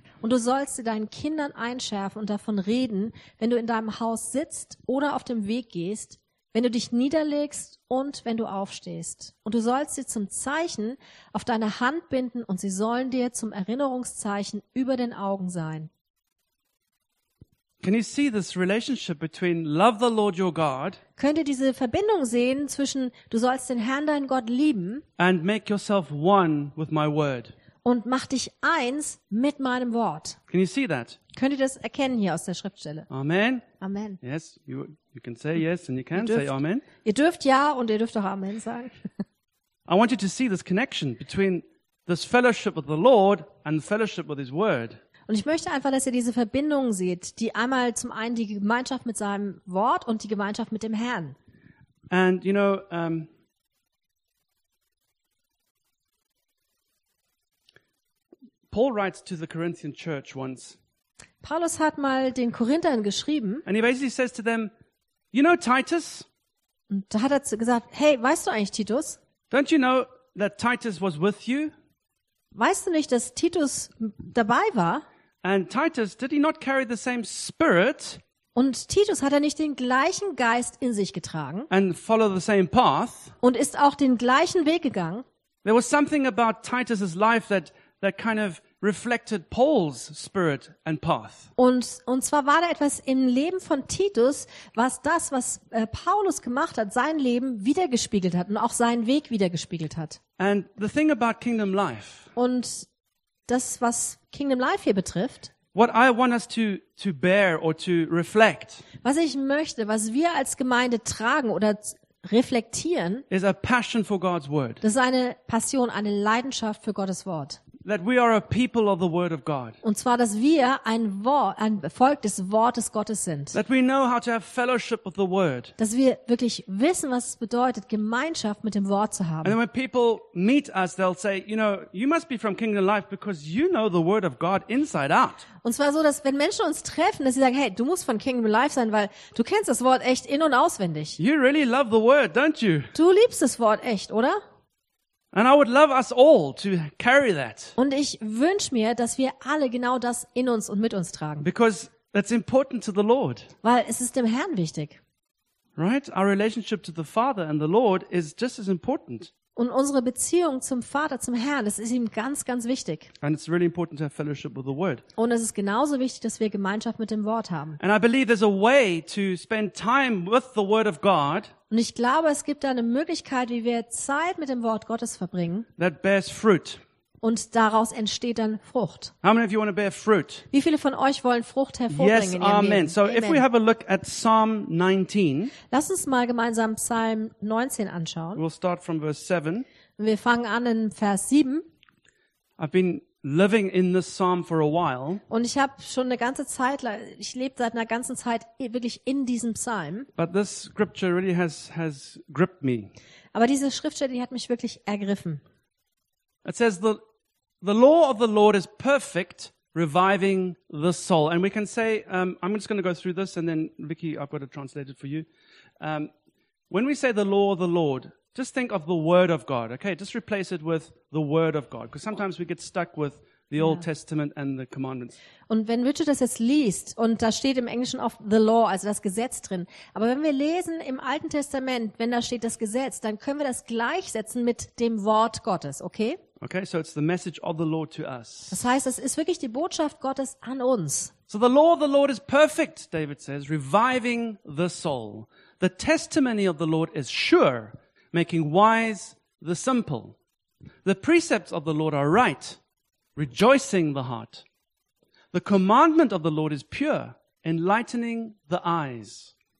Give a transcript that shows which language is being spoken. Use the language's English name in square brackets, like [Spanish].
[German] Und du sollst sie deinen Kindern einschärfen und davon reden, wenn du in deinem Haus sitzt oder auf dem Weg gehst, wenn du dich niederlegst und wenn du aufstehst. Und du sollst sie zum Zeichen auf deine Hand binden und sie sollen dir zum Erinnerungszeichen über den Augen sein. [English] Can you see this relationship between love the Lord your God? [German] Könnt ihr diese Verbindung sehen zwischen du sollst den Herrn deinen Gott lieben [English] and make yourself one with my word? [German] Und mach dich eins mit meinem Wort. [English] Can you see that? [German] Könnt ihr das erkennen hier aus der Schriftstelle? Amen. Amen. [English] Yes, you can say yes and you can say amen. [German] Ihr dürft ja und ihr dürft auch amen sagen. [English] I want you to see this connection between this fellowship with the Lord and fellowship with his word. [German] Und ich möchte einfach, dass ihr diese Verbindung seht, die einmal zum einen die Gemeinschaft mit seinem Wort und die Gemeinschaft mit dem Herrn. [English] And you know, Paul writes to the Corinthian church once. [German] Paulus hat mal den Korinthern geschrieben. [English] And he basically says to them, you know Titus? [German] Und da hat er gesagt, hey, weißt du eigentlich Titus? [English] Don't you know that Titus was with you? [German] Weißt du nicht, dass Titus dabei war? [English] And Titus, did he not carry the same spirit? [German] Und Titus, hat er nicht den gleichen Geist in sich getragen? [English] And follow the same path? [German] Und ist auch den gleichen Weg gegangen? [English] There was something about Titus's life that kind of reflected Paul's spirit and path. [German] Und zwar war da etwas im Leben von Titus, was Paulus gemacht hat, sein Leben wiedergespiegelt hat und auch seinen Weg wiedergespiegelt hat. [English] And the thing about kingdom life. [German] Und das, was Kingdom Life hier betrifft, [English] what I want us to bear or to reflect, [German] was ich möchte, was wir als Gemeinde tragen oder reflektieren, [English] is a passion for God's word. [German] Das ist eine Passion, eine Leidenschaft für Gottes Wort. [English] That we are a people of the word of God. [German] Und zwar, dass wir ein Volk des Wortes Gottes sind. [English] That we know how to have fellowship with the word. [German] Dass wir wirklich wissen, was es bedeutet, Gemeinschaft mit dem Wort zu haben. [English] And when people meet us, they'll say, you know, you must be from Kingdom Life because you know the word of God inside out. [German] Und zwar so, dass wenn Menschen uns treffen, dass sie sagen, hey, du musst von Kingdom Life sein, weil du kennst das Wort echt in- und auswendig. [English] You really love the word, don't you? [German] Du liebst das Wort echt, oder? [English] And I would love us all to carry that. [German] Und ich wünsche mir, dass wir alle genau das in uns und mit uns tragen. [English] Because that's important to the Lord. [German] Weil es ist dem Herrn wichtig. [English] Right? Our relationship to the Father and the Lord is just as important. [German] Und unsere Beziehung zum Vater, zum Herrn, das ist ihm ganz, ganz wichtig. [English] And it's really important to have fellowship with the Word. [German] Und es ist genauso wichtig, dass wir Gemeinschaft mit dem Wort haben. [English] And I believe there's a way to spend time with the Word of God. [German] Und ich glaube, es gibt da eine Möglichkeit, wie wir Zeit mit dem Wort Gottes verbringen. [English] That bears fruit. [German] Und daraus entsteht dann Frucht. [English] How many of you want to bear fruit? [German] Wie viele von euch wollen Frucht hervorbringen? [English] Yes, [German] in ihrem [English] amen. [German] Leben? [English] So amen. If we have a look at Psalm 19. [German] Lass uns mal gemeinsam Psalm 19 anschauen. [English] We'll start from verse 7. [German] Wir fangen an in Vers 7. [English] I've been living in this psalm for a while. [German] Und ich habe schon eine ganze Zeit, ich lebe seit einer ganzen Zeit wirklich in diesem Psalm. [English] But this scripture really has gripped me. [German] Aber diese Schriftstelle, die hat mich wirklich ergriffen. [English] It says the law of the Lord is perfect, reviving the soul. And we can say, I'm just going to go through this and then Vicky, I've got to translate it for you. When we say the law of the Lord, just think of the word of God, okay? Just replace it with the word of God. Because sometimes we get stuck with the Old Testament and the commandments. [German] Und wenn Richard das jetzt liest, und da steht im Englischen oft [English] the law, [German] also das Gesetz drin. Aber wenn wir lesen im Alten Testament, wenn da steht das Gesetz, dann können wir das gleichsetzen mit dem Wort Gottes, okay? [English] Okay, so it's the message of the Lord to us. [German] Das heißt, es ist wirklich die Botschaft Gottes an uns. [English] So the law of the Lord is perfect, David says, reviving the soul. The testimony of the Lord is sure, making wise the simple. The precepts of the Lord are right, rejoicing the heart. The commandment of the Lord is pure, enlightening the eyes.